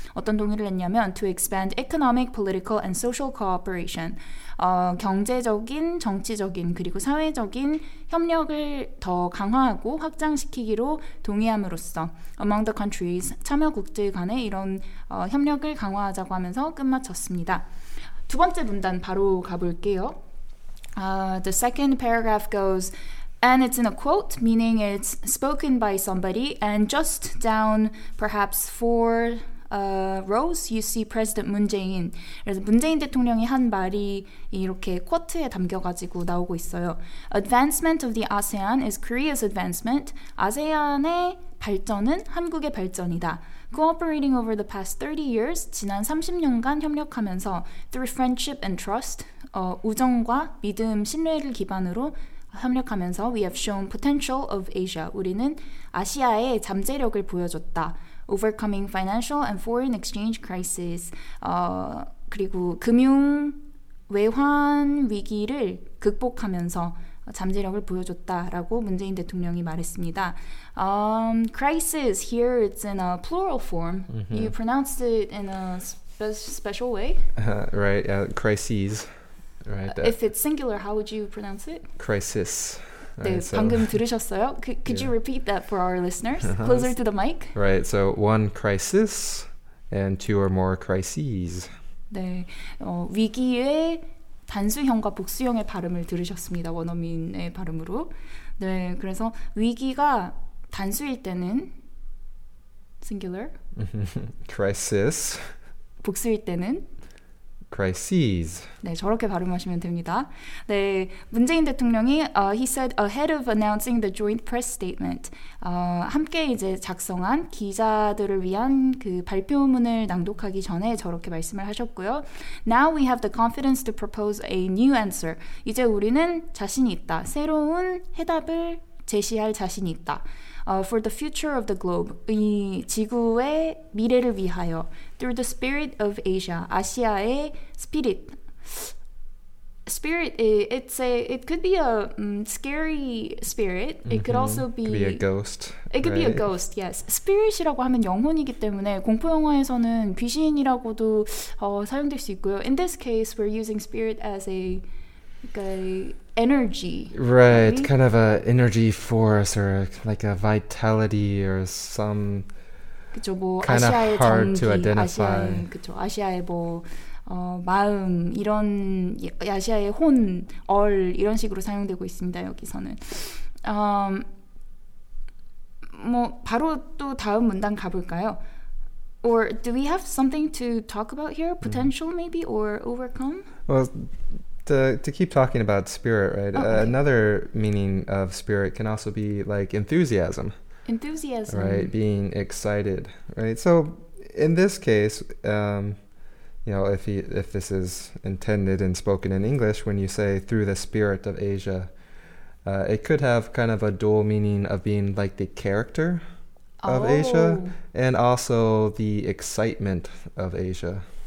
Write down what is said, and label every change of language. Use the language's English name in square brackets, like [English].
[Korean] 어떤 동의를 했냐면 [English] to expand economic, political, and social cooperation [Korean] 경제적인, 정치적인, 그리고 사회적인 협력을 더 강화하고 확장시키기로 동의함으로써 [English] among the countries, [Korean] 참여국들 간의 이런 협력을 강화하자고 하면서 끝마쳤습니다. 두 번째 문단 바로 가볼게요. [English] The second paragraph goes And it's in a quote, meaning it's spoken by somebody. And just down, perhaps four rows, you see President Moon Jae-in. [Korean] 그래서 문재인 대통령이 한 말이 이렇게 코트에 담겨가지고 나오고 있어요. [English] Advancement of the ASEAN is Korea's advancement. [Korean] 아세안의 발전은 한국의 발전이다. [English] Cooperating over the past 30 years, [Korean] 지난 30년간 협력하면서 [English] through friendship and trust, [Korean] 우정과 믿음, 신뢰를 기반으로 협력하면서 [English] we have shown potential of Asia. [Korean] 우리는 아시아의 잠재력을 보여줬다. [English] Overcoming financial and foreign exchange crisis. [Korean] 그리고 금융 외환 위기를 극복하면서 잠재력을 보여줬다라고 문재인 대통령이 말했습니다. [English] Crisis here, it's in a plural form. Mm-hmm. You pronounced it in a special way. Right, yeah, crises. Right. If it's singular, how would you pronounce it? Crisis. 네, right, so, [Korean] 방금 들으셨어요? [English] Could you repeat that for our listeners? Closer to the mic. Right, so one crisis and two or more crises. [Korean] 네, 위기의 단수형과 복수형의 발음을 들으셨습니다. 원어민의 발음으로. 네, 그래서 위기가 단수일 때는 singular. [English] Crisis. [Korean] 복수일 때는 [English] crises. [Korean] 네, 저렇게 발음하시면 됩니다. [English] 네, [Korean] 문재인 대통령이 [English] he said ahead of announcing the joint press statement. [Korean] 함께 이제 작성한 기자들을 위한 그 발표문을 낭독하기 전에 저렇게 말씀을 하셨고요. [English] Now we have the confidence to propose a new answer. [Korean] 이제 우리는 자신이 있다. 새로운 해답을 제시할 자신이 있다. [English] For the future of the globe, [Korean] 이 지구의 미래를 위하여, [English] through the spirit of Asia, [Korean] 아시아의 [English] spirit. Spirit, it could be a scary spirit. Mm-hmm. It could be a ghost. It could right? be a ghost, yes. [Korean] Spirit이라고 하면 영혼이기 때문에 공포 영화에서는 귀신이라고도 사용될 수 있고요. [English] In this case, we're using spirit as a... energy. Right, kind of a energy force or like a vitality or some [Korean] 그쵸, 뭐 [English] kind [Korean] 아시아의 [English] of hard [Korean] 전기, [English] to identify. [Korean] 아시아의, 그쵸, 아시아의 뭐 마음 이런 아시아의 혼, 얼 이런 식으로 사용되고 있습니다. 여기서는 뭐 바로 또 다음 문단 가볼까요? [English] Or do we have something to talk about here? Potential maybe or overcome? To keep talking about spirit, right? Okay. Another meaning of spirit can also be like enthusiasm. Enthusiasm. Right, being excited, right? So in this case, you know, if this is intended and spoken in English, when you say through the spirit of Asia, it could have kind of a dual meaning of being like the character of Asia and also the excitement of Asia.